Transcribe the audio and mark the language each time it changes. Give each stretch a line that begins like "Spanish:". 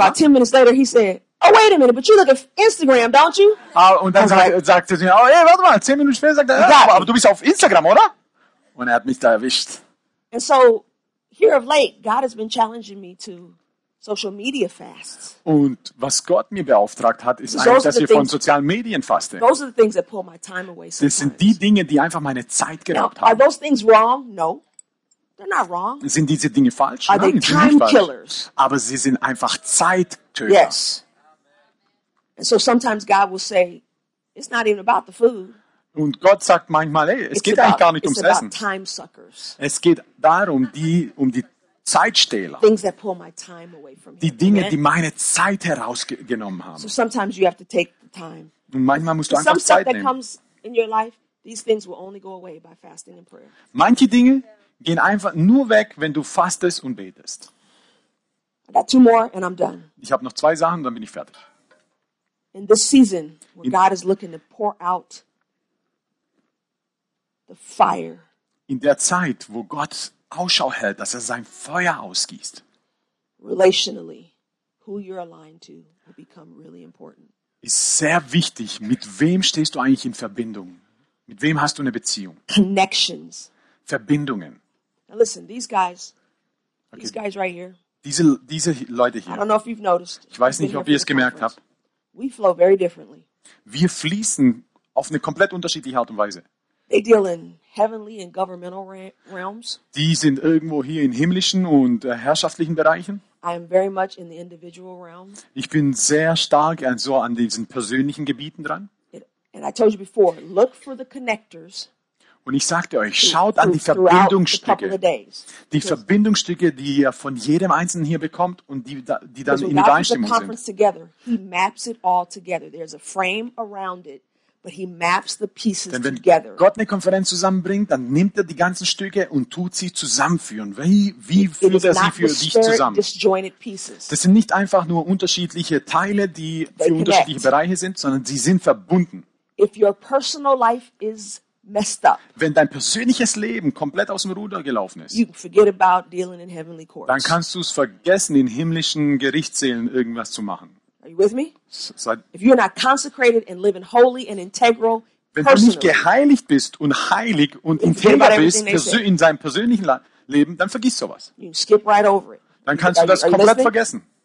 English: about 10 minutes later, he said, oh, wait a minute, but you look at Instagram, don't you?
German: Und dann sagt er, oh, hey, warte mal, 10 Minuten später sagt er, aber du bist auf Instagram, oder? Und er hat mich da erwischt.
English: And so here of late, God has been challenging me to social media fast.
German: Und was Gott mir beauftragt hat, ist eigentlich, dass wir von sozialen Medien fasten.
English: Those are the things that pull my time away sometimes.
German: Das sind die Dinge, die einfach meine Zeit geraubt haben.
English: Are those things wrong? No. They're not wrong.
German: Sind diese Dinge falsch?
English: Are
German: Nein,
English: they time
German: sind nicht
English: killers?
German: Falsch. Aber sie sind einfach Zeittöter.
English: Yes. And so sometimes God will say, it's not even about the food.
German: Und Gott sagt manchmal, ey, es geht eigentlich gar nicht ums Essen.
English: Time suckers.
German: Es geht darum, die Zeitstehler.
English: Things that pull my time away from
German: die Dinge, die meine Zeit herausgenommen haben.
English: So sometimes you have to take the time.
German: Und manchmal musst du einfach Zeit nehmen.
English: Some stuff that comes in your life, these things will only go away by fasting and prayer.
German: Manche Dinge gehen einfach nur weg, wenn du fastest und betest.
English: I got two more and I'm done.
German: Ich habe noch zwei Sachen, dann bin ich fertig.
English: In this season, where God is looking to pour out the fire.
German: In der Zeit, wo Gott Ausschau hält, dass sein Feuer ausgießt.
English: Relationally, who you're aligned to will become really important.
German: Ist sehr wichtig, mit wem stehst du eigentlich in Verbindung? Mit wem hast du eine Beziehung?
English: Connections.
German: Verbindungen.
English: Now listen, these guys, okay. These guys right here.
German: Diese Leute hier.
English: I don't know if you've noticed.
German: Ich weiß nicht, ob ihr es gemerkt habt.
English: We flow very differently.
German: Wir fließen auf eine komplett unterschiedliche Art und Weise.
English: They deal in heavenly and governmental realms.
German: Die sind irgendwo hier in himmlischen und herrschaftlichen Bereichen.
English: I am very much in the individual realm.
German: Ich bin sehr stark so an diesen persönlichen Gebieten dran.
English: And I told you before, look for the connectors.
German: Und ich sagte euch, schaut an die Verbindungsstücke. Die Verbindungsstücke, die ihr von jedem Einzelnen hier bekommt und die dann in Übereinstimmung sind. Denn wenn Gott eine Konferenz zusammenbringt, dann nimmt er die ganzen Stücke und tut sie zusammenführen. Wie führt er sie für dich zusammen? Das sind nicht einfach nur unterschiedliche Teile, die für unterschiedliche Bereiche sind, sondern sie sind verbunden. Wenn dein persönliches Leben ist
English: messed up.
German: Wenn dein persönliches Leben komplett aus dem Ruder gelaufen ist,
English: you forget about dealing in heavenly courts.
German: Dann kannst du es vergessen, in himmlischen Gerichtssälen irgendwas zu machen.
English: Are you with me? If you're not consecrated and living holy and integral,
German: wenn du nicht geheiligt bist und heilig und integer bist in deinem persönlichen Leben, dann vergiss sowas.
English: You skip right over it.
German: Dann kannst du das komplett vergessen.